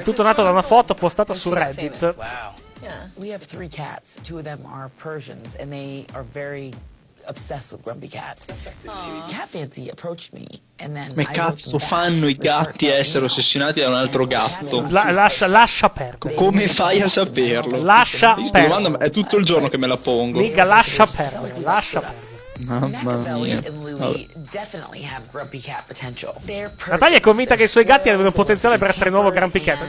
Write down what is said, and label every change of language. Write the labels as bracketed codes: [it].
[it] È tutto nato da una foto postata su Reddit. Wow. [en] Yeah. We have three cats. Two of them are Persians, and they are very obsessed with Grumpy Cat. Aww. Cat Fancy approached me. [it] Ma cazzo fanno i gatti a essere ossessionati da un altro gatto? Lascia perdere. Come fai a saperlo? Lascia perdere. È tutto il giorno che me la pongo. Mica lascia perdere. Lascia perdere. Mamma mia. Natalia è convinta che i suoi gatti abbiano potenziale per essere il nuovo Grumpy Cat.